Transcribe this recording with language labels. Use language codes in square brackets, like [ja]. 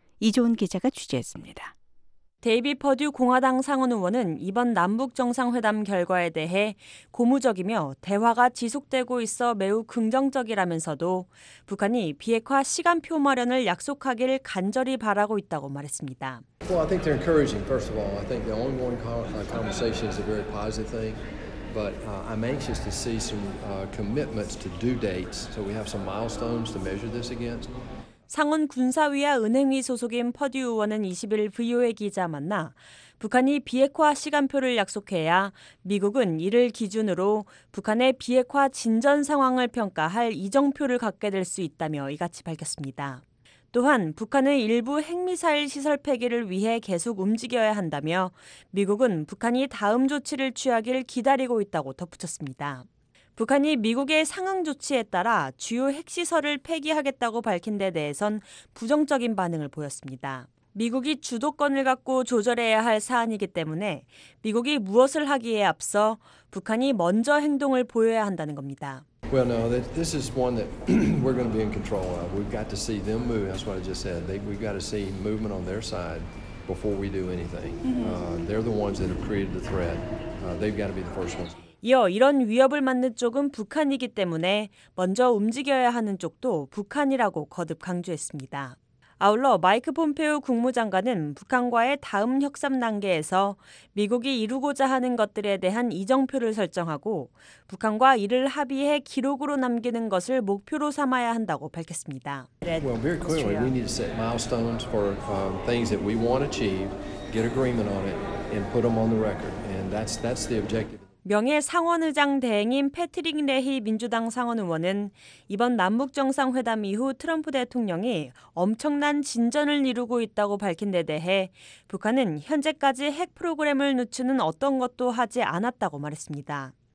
[ko] 이종훈 기자가 취재했습니다. 데이비 퍼듀 공화당 상원 의원은 이번 남북정상회담 결과에 대해 고무적이며 대화가 지속되고 있어 매우 긍정적이라면서도 북한이 비핵화 시간표 마련을 약속하길 간절히 바라고 있다고 말했습니다. [en] Well, I think they're encouraging, first of all. I think the ongoing conversation is a very positive thing. But I'm anxious to see some commitments to due dates so we have some milestones to measure this against. [ko] 상원 군사위와 은행위 소속인 퍼듀 의원은 20일 VOA 기자 만나 북한이 비핵화 시간표를 약속해야 미국은 이를 기준으로 북한의 비핵화 진전 상황을 평가할 이정표를 갖게 될 수 있다며 이같이 밝혔습니다. 또한 북한은 일부 핵미사일 시설 폐기를 위해 계속 움직여야 한다며 미국은 북한이 다음 조치를 취하길 기다리고 있다고 덧붙였습니다. 북한이 미국의 상응 조치에 따라 주요 핵시설을 폐기하겠다고 밝힌 데 대해선 부정적인 반응을 보였습니다. 미국이 주도권을 갖고 조절해야 할 사안이기 때문에 미국이 무엇을 하기에 앞서 북한이 먼저 행동을 보여야 한다는 겁니다. [en] Well, no, this is one that we're going to be in control of. We've got to see them move. That's what I just said. We've got to see movement on their side before we do anything. They're the ones that have created the threat. They've got to be the first ones. [ko] 이어 이런 위협을 맞는 쪽은 북한이기 때문에 먼저 움직여야 하는 쪽도 북한이라고 거듭 강조했습니다. 아울러 마이크 폼페오 국무장관은 북한과의 다음 협상 단계에서 미국이 이루고자 하는 것들에 대한 이정표를 설정하고 북한과 이를 합의해 기록으로 남기는 것을 목표로 삼아야 한다고 밝혔습니다. [en] Well, very clearly, we need to set milestones for things that we want to achieve, get agreement on it, and put them on the record. And that's the objective. [ko] 명예 상원의장 대행인 패트릭 레히 민주당 상원 의원은 이번 남북정상회담 이후 트럼프 대통령이 엄청난 진전을 이루고 있다고 밝힌 데 대해 북한은 현재까지 핵 프로그램을 늦추는 어떤 것도 하지 않았다고 말했습니다.